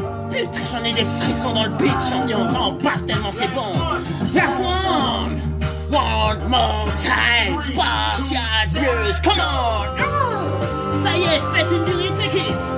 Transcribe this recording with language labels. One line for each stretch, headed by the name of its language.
French: Putain, j'en ai des frissons dans le beat, champion. J'en passe tellement, c'est bon. Personne.
English: One more time, spatial blues, come on!
French: Ça y est, je pète une durite, l'équipe!